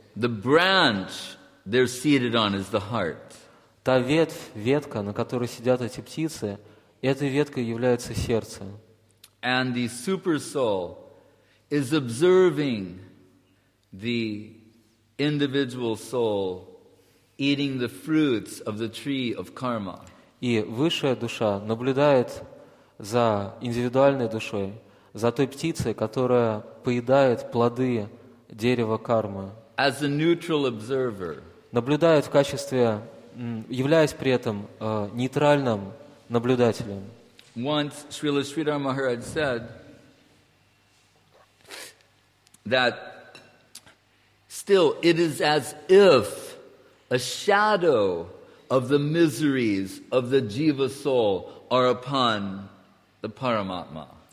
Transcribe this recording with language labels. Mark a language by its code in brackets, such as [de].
[en] The branch they're seated on is the heart. [ru] Та ветвь, ветка, на которой сидят эти птицы, этой веткой является сердце. [en] And the supersoul is observing the individual soul eating the fruits of the tree of karma. [ru] И высшая душа наблюдает за индивидуальной душой, за той птицей, которая поедает плоды дерева кармы. [en] As a neutral observer, [ru] наблюдает в качестве, являясь при этом нейтральным наблюдателем. [en] Once Srila Sridhar Maharaj said that still it is as if a shadow of the miseries of the jiva soul are upon the paramatma.